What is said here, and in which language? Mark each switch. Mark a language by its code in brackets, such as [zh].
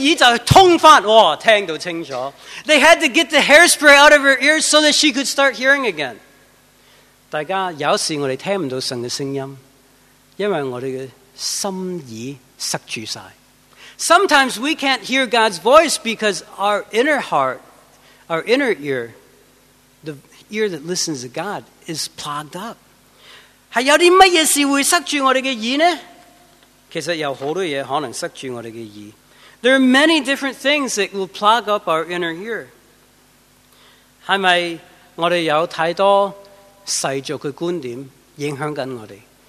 [zh] 整掉定型水,塞住耳朵就通翻,聽到清楚。 [en] They had to get the hairspray out of her ears so that she could start hearing again. [zh] 大家,有時我們聽不到神的聲音,因為我們的心耳塞住了。 [en] Sometimes we can't hear God's voice because our inner heart, our inner ear, the ear that listens to God, is plugged up. [zh] 還有什麼事會塞住我們的耳呢? 其實有很多東西可能塞住我們的耳。 [en] There are many different things that will plug up our inner ear. [zh] 是不是我們有太多世俗的觀點影響我們?